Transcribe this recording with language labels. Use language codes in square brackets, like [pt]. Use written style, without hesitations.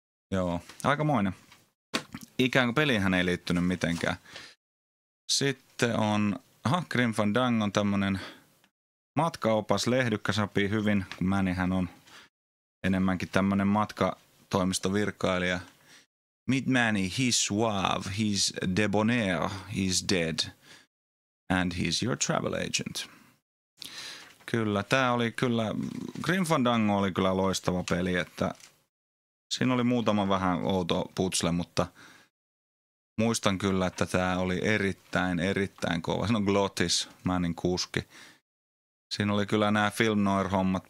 [fi] Joo, aikamoinen. Ikään kuin peliinhän ei liittynyt mitenkään. Sitten on Grim Fandangon tämmönen matkaopas. Lehdykkä sopii hyvin, kun Mänihän on enemmänkin tämmönen matkatoimistovirkailija. [en] Meet Manny, he's suave, he's debonair, he's dead, and he's your travel agent. [fi] Kyllä, tää oli kyllä, Grim Fandango oli kyllä loistava peli, että siinä oli muutama vähän outo putsle, mutta muistan kyllä, että tämä oli erittäin, erittäin kova. Siinä on Glottis, Mannin kuski. Siinä oli kyllä nämä Film Noir-hommat.